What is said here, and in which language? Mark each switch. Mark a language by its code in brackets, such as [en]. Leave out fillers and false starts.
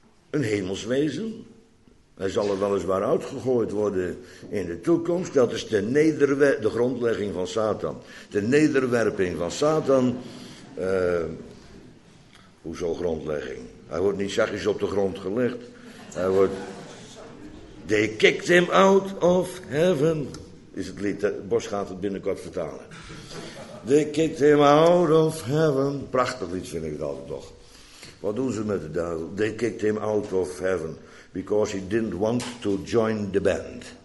[nl] Een hemelswezen. Hij zal er weliswaar uitgegooid worden in de toekomst. Dat is de grondlegging van Satan. De nederwerping van Satan. Hoezo grondlegging? Hij wordt niet zachtjes op de grond gelegd. Hij wordt... [en] They kicked him out of heaven. [nl] Is het lied. Bos gaat het binnenkort vertalen. [en] They kicked him out of heaven. [nl] Prachtig lied vind ik het altijd toch. Wat doen ze met de duivel? [en] They kicked him out of heaven. Because he didn't want to join the band.